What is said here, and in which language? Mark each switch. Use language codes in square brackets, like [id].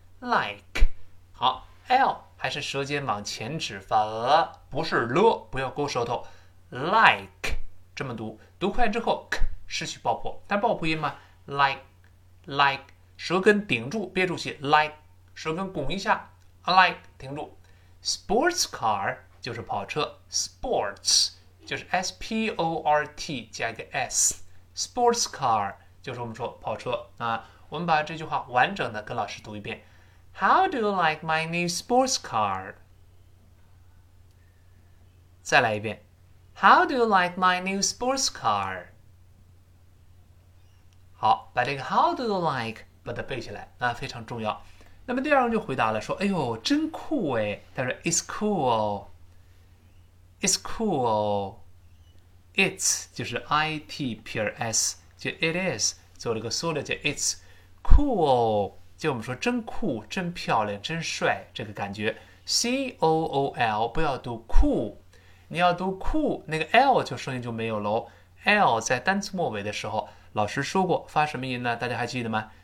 [zh] Like 好，L 还是舌尖往前指发了，不是了，不要勾舌头。 Like 这么读，读快之后 k 失去爆破，但爆破音嘛，like。 Like，舌根顶住，憋住气。 Like，舌根拱一下。Like，停住。 Sports car 就是跑车。 Sports 就是 sport 加一个 s。 Sports car 就是我们说跑车啊。我们把这句话完整的跟老师读一遍。 [en] How do you like my new sports car？ [zh] 再来一遍。 [en] How do you like my new sports car？ [zh] 好，把这个 [en] How do you like [zh] 把它背下来，那非常重要。那么第二个人就回答了，说：“哎呦，真酷哎！” 他说：“ [en] It's cool, it's cool. [zh] It 就是 it 撇 s，就 [en] it is [zh] 做了个缩略，叫 it's cool。就我们说真酷、真漂亮、真帅这个感觉。 cool 不要读 cool，你要读 cool，那个 l 就声音就没有喽。 l 在单词末尾的时候。” 老师说过发什么音呢？大家还记得吗？